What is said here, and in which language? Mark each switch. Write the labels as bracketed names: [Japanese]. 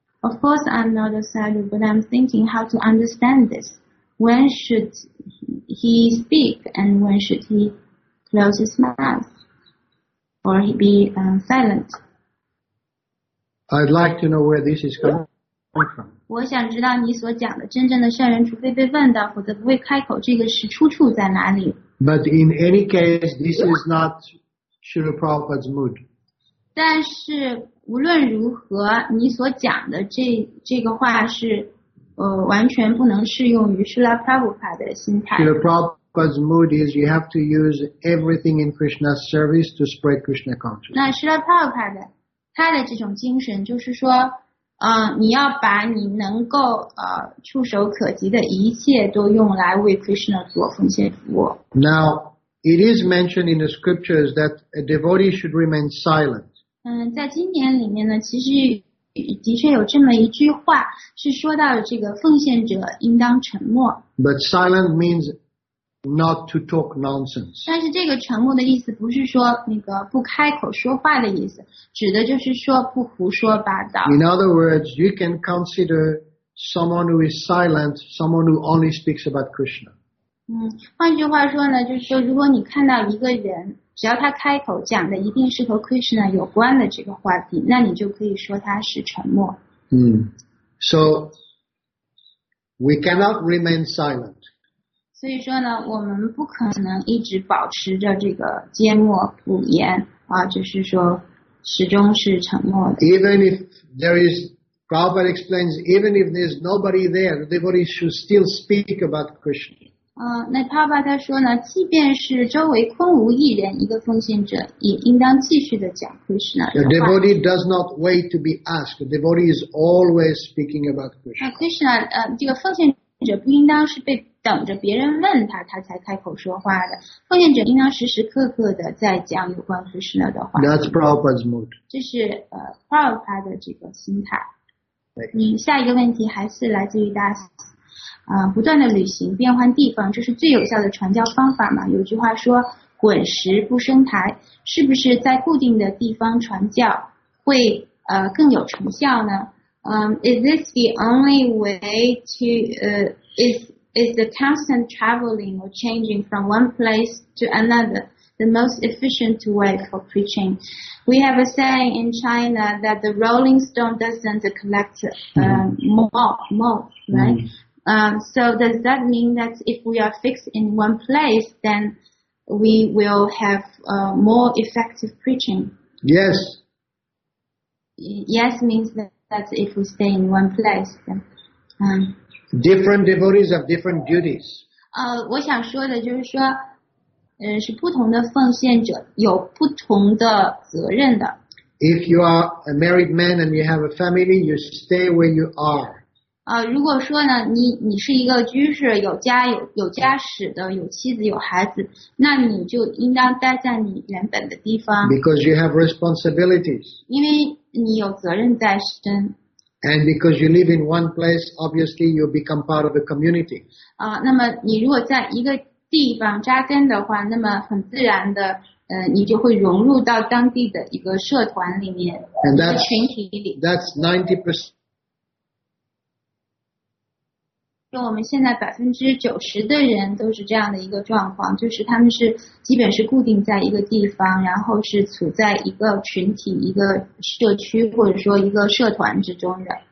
[English] Of course, I'm not a sadhu, but I'm thinking how to understand this. When should he speak and when should he close his mouth or he be silent? I'd like to know where this is coming [Chinese] 我想知道你所讲的真正的圣人，除非被问到，否则不会开口。这个是出处在哪里 [English] ？But in any case, this is not Srila Prabhupada's mood. [Chinese] 但是无论如何，你所讲的这个话是完全不能适用于 Srila Prabhupada 的心态。 [English] Srila Prabhupada's mood is you have to use everything in Krishna's service to spread Krishna consciousness. [Chinese] 那 Srila Prabhupada 的他的这种精神就是说。你要把你能够触手可及的一切都用来为 Krishna 做奉献服务。 [English] Now, it is mentioned in the scriptures that a devotee should remain silent. [Chinese] 在经典里面呢，其实的确有这么一句话，是说到这个奉献者应当沉默。 [English] But silent means not to talk nonsense. [Chinese] 但是这个沉默的意思不是说那个不开口说话的意思，指的就是说不胡说八道。 [English] In other words, you can consider someone who is silent, someone who only speaks about Krishna. [Chinese] 换句话说呢，就是说如果你看到一个人，只要他开口讲的一定是和 Krishna 有关的这个话题，那你就可以说他是沉默。 [English] So, we cannot remain silent. [Chinese] 所以说呢，我们不可能一直保持着这个缄默不言啊，就是说始终是沉默的。 [English] Even if there is, Prabhupada explains, even if there's nobody there, the devotee should still speak about Krishna. [Chinese] 那 Prabhupada 说呢，即便是周围空无一人，一个奉献者也应当继续的讲 Krishna。 [English] The devotee does not wait to be asked. The devotee is always speaking about Krishna. [Chinese] 那 Krishna 这个奉献者不应当是被等着别人问他，他才开口说话的。奉献者应当时时刻刻的在讲有关 Krishna 的话。 That's Prabhupada's mood. 这是Prabhupada 的这个心态。下一个问题还是来自于 Das。不断的旅行，变换地方，这是最有效的传教方法嘛？有句话说，滚石不生苔，是不是在固定的地方传教会更有成效呢？ [English] Is this the only way to is the constant traveling or changing from one place to another the most efficient way for preaching? We have a saying in China that the rolling stone doesn't collect mold, right? So does that mean that if we are fixed in one place, then we will have more effective preaching? Yes. Yes means that if we stay in one place, then... Different devotees have different duties. [Chinese] 我想说的就是说，是不同的奉献者有不同的责任的。 [English] If you are a married man and you have a family, you stay where you are. [Chinese] 如果说呢，你是一个居士，有家室的，有妻子有孩子，那你就应当待在你原本的地方。 [English] Because you have responsibilities. [Chinese] 因为你有责任在身。 [English] And because you live in one place, obviously you become part of the community. [Chinese] 那么你如果在一个地方扎根的话，那么很自然的，你就会融入到当地的一个社团里面， [English] and that's, [Chinese] 一个群体里。 [English] That's 90%. [Chinese] 就我们现在90%的人都是这样的一个状况，就是他们是基本是固定在一个地方，然后是处在一个群体、一个社区或者说一个社团之中的。